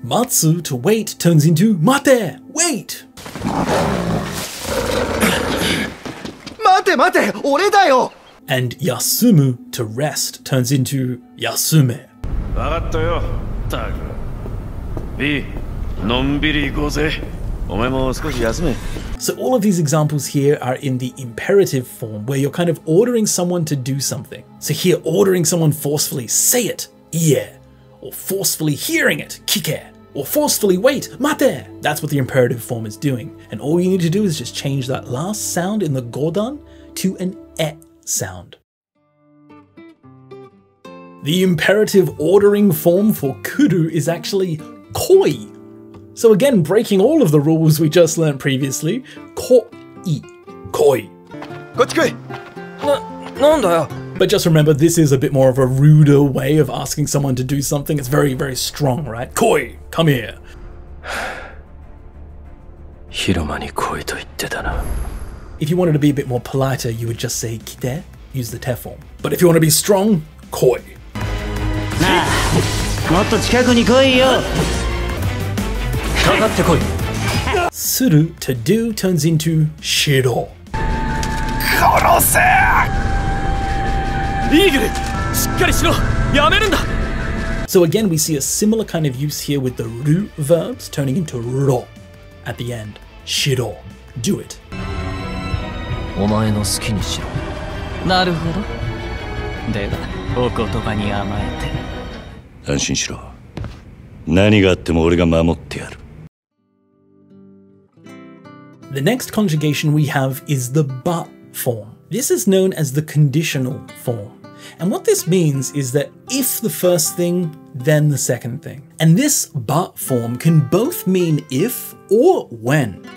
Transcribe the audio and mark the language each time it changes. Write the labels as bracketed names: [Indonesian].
[English] Matsu to wait turns into mate. Wait! [Japanese] 待て待て!俺だよ! [English] And yasumu, to rest, turns into yasume. [Japanese] わかったよ、たく。いい、のんびり行こうぜ。お前も少し休め。 [English] So all of these examples here are in the imperative form, where you're kind of ordering someone to do something. So here, ordering someone forcefully, say it, ie. Or forcefully hearing it, kike. Or forcefully wait, mate. That's what the imperative form is doing. And all you need to do is just change that last sound in the godan to an e. Sound. The imperative ordering form for kuru is actually koi. So again, breaking all of the rules we just learned previously, koi, koi. [Japanese] こっち来い。なんだよ。 [English] But just remember, this is a bit more of a ruder way of asking someone to do something. It's very, very strong, right? Koi, come here. [Japanese] 広間に来いと言ってたな。 [English] If you wanted to be a bit more politer, you would just say kite, use the te form. But if you want to be strong, koi. Suru to do turns into shiro. [Japanese] Korose! Igure, shikkari shiro, yameru da. [English] So again, we see a similar kind of use here with the ru verbs turning into ro at the end. Shiro, do it. [Japanese] お前の好きにしろ。なるほど。では、お言葉に甘えて。安心しろ。何があっても俺が守ってやる。 [English] The next conjugation we have is the ba form. This is known as the conditional form. And what this means is that if the first thing, then the second thing. And this ba form can both mean if or when.